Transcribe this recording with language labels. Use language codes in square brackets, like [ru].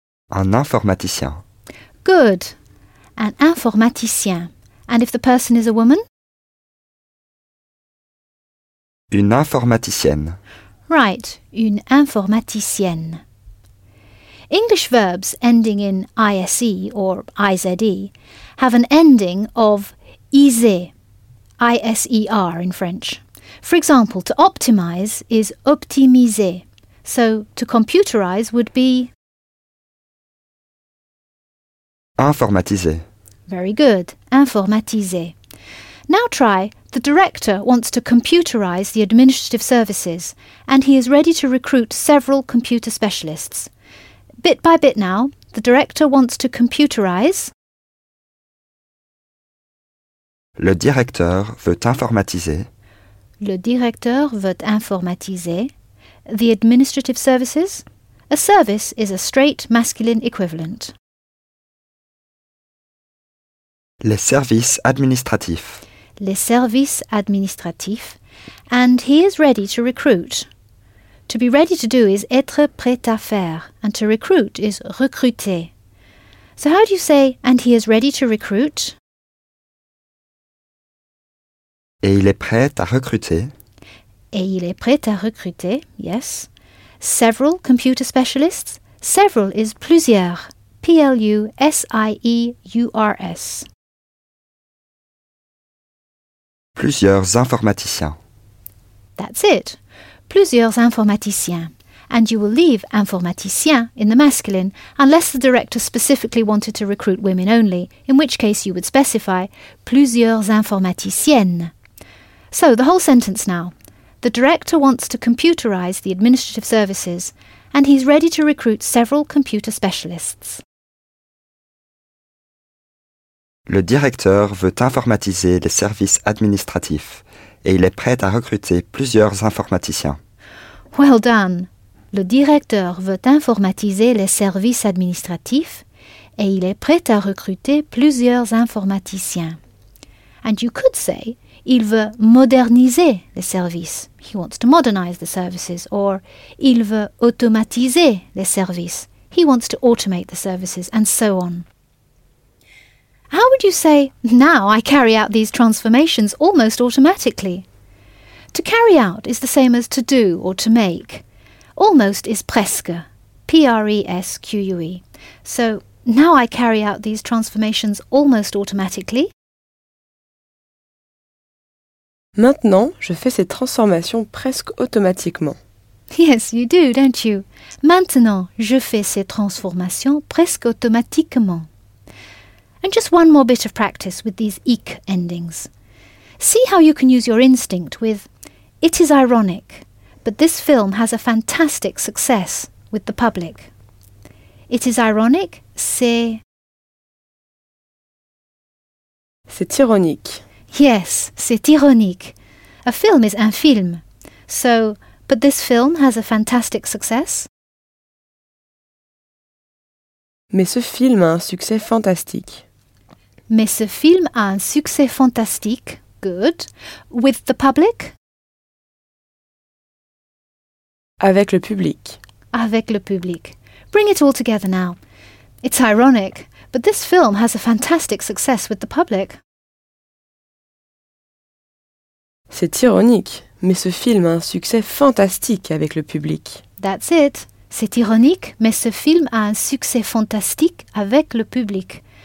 [fr] Un informaticien. [en] Good. [fr] Un informaticien. [en] And if the person is a woman? [fr] Une informaticienne. [en] Right, [fr] une informaticienne. [en] English verbs ending in ise or ize have an ending of iser, iser in French. For example, to optimize is optimiser. So to computerize would be [fr] informatiser. [en] Very good, informatiser. Now try, the director wants to computerize the administrative services and he is ready to recruit several computer specialists. Bit by bit now, the director wants to computerize. [fr] Le directeur veut informatiser. Le directeur veut informatiser. [en] The administrative services. A service is a straight masculine equivalent. [fr] Les services administratifs. Les services administratifs. [en] And he is ready to recruit. To be ready to do is [fr] être prêt à faire, [en] and to recruit is recruter. So how do you say, and he is ready to recruit? [fr] Et il est prêt à recruter. Et il est prêt à recruter, [en] yes. Several computer specialists. Several is plusieurs. PLUSIEURS. [fr] Plusieurs informaticiens. [en] That's it. [fr] Plusieurs informaticiens. [en] And you will leave informaticien in the masculine unless the director specifically wanted to recruit women only, in which case you would specify [fr] plusieurs informaticiennes. [en] So, the whole sentence now. The director wants to computerize the administrative services and he's ready to recruit several computer specialists. [fr] Le directeur veut informatiser les services administratifs et il est prêt à recruter plusieurs informaticiens. [en] Well done. [fr] Le directeur veut informatiser les services administratifs et il est prêt à recruter plusieurs informaticiens. [en] And you could say, [fr] il veut moderniser les services. [en] He wants to modernize the services. Or, [fr] il veut automatiser les services. [en] He wants to automate the services, and so on. How would you say, now I carry out these transformations almost automatically? To carry out is the same as to do or to make. Almost is presque, P-R-E-S-Q-U-E. So, now I carry out these transformations almost automatically. [fr] Maintenant, je fais ces transformations presque automatiquement. [en] Yes, you do, don't you? [fr] Maintenant, je fais ces transformations presque automatiquement. [en] And just one more bit of practice with these ic endings. See how you can use your instinct with it is ironic, but this film has a fantastic success with the public. It is ironic, c'est... [fr] C'est ironique. [en] Yes, [fr] c'est ironique. [en] A film is un film. So, but this film has a fantastic success. [fr] Mais ce film a un succès fantastique. Mais ce film a un succès fantastique. [en] Good. With the public? [fr] Avec le public. Avec le public. [en] Bring it all together now. It's ironic, but this film has a fantastic success with the public. [fr] C'est ironique, mais ce film a un succès fantastique avec le public. [en] That's it. [fr] C'est ironique, mais ce film a un succès fantastique avec le public.